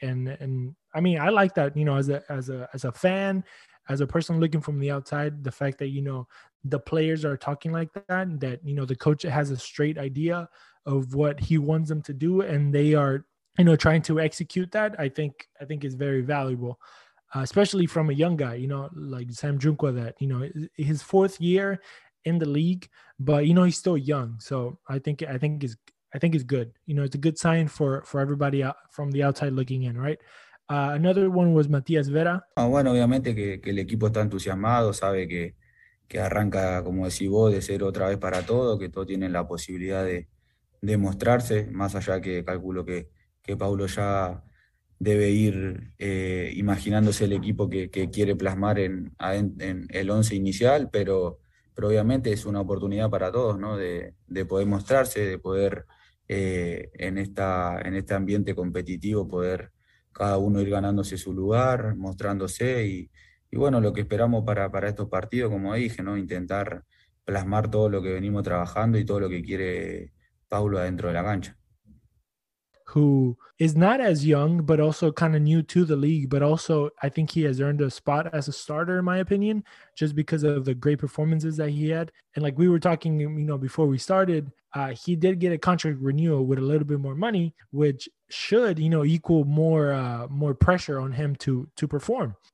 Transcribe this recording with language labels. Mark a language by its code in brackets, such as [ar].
[en] And I mean, I like that, you know, as a fan, as a person looking from the outside, the fact that, you know, the players are talking like that, and that, you know, the coach has a straight idea of what he wants them to do, and they are, you know, trying to execute that, I think is very valuable, especially from a young guy, you know, like Sam Junqua, that, you know, his fourth year in the league, but, you know, he's still young. So I think it's good. You know, it's a good sign for everybody out from the outside looking in, right? Another one was Matias Vera. [es] Ah, bueno, obviamente que el equipo está entusiasmado, sabe que arranca, como decís vos, de cero otra vez para todo, que todo tiene la posibilidad de mostrarse, más allá que calculo que Paulo ya debe ir imaginándose el equipo que quiere plasmar en el once inicial, pero obviamente es una oportunidad para todos, ¿no? De poder mostrarse, de poder en este ambiente competitivo poder cada uno ir ganándose su lugar, mostrándose y bueno, lo que esperamos para estos partidos, como dije, ¿no? Intentar plasmar todo lo que venimos trabajando y todo lo que quiere Paulo adentro de la cancha. [en] Who is not as young, but also kind of new to the league, but also I think he has earned a spot as a starter, in my opinion, just because of the great performances that he had. And like we were talking, you know, before we started, he did get a contract renewal with a little bit more money, which should, you know, equal more pressure on him to perform.